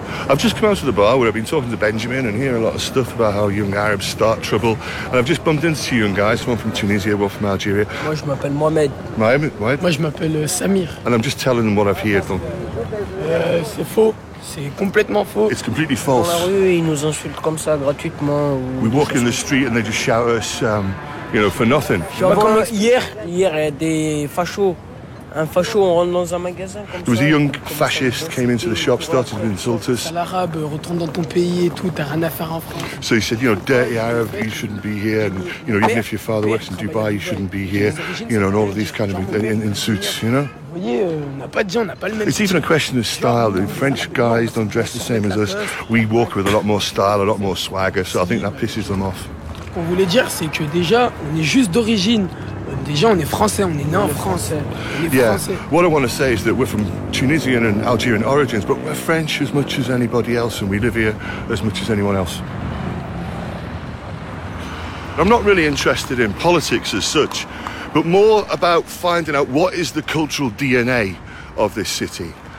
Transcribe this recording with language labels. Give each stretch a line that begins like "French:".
English: I've just come out of the bar where I've been talking to Benjamin and hearing a lot of stuff about how young Arabs start trouble. And I've just bumped into two young guys, one from Tunisia, one from Algeria.
French: Moi, je m'appelle Mohamed. Mohamed? Moi, je m'appelle Samir.
English: And I'm just telling them what I've heard.
French: C'est faux. C'est complètement faux.
English: It's completely false.
French: Dans la rue, ils nous insultent comme ça, gratuitement.
English: We walk in the street and they just shout us, you know, for nothing.
French: Hier, il y a des fachos. Un facho, on rentre dans un magasin comme ça.
English: There was a young fascist came into the shop, started to insult us.
French: L'arabe, retourne dans ton pays et tout, t'as rien à faire en France.
English: So he said, you know, dirty Arab, you shouldn't be here. And, you know, even if your father works in Dubai, you shouldn't be here. You know, and all of these kind of insults, you know. It's even a question of style. The French guys don't dress the same as us. We walk with a lot more style, a lot more swagger. So I think that pisses them off.
French: Ce qu'on voulait dire, c'est que déjà, on est juste d'origine. Déjà, on est français, on est né en France.
English: Yeah, what I want to say is that we're from Tunisian and Algerian origins, but we're French as much as anybody else, and we live here as much as anyone else. I'm not really interested in politics as such, but more about finding out what is the cultural DNA of this city.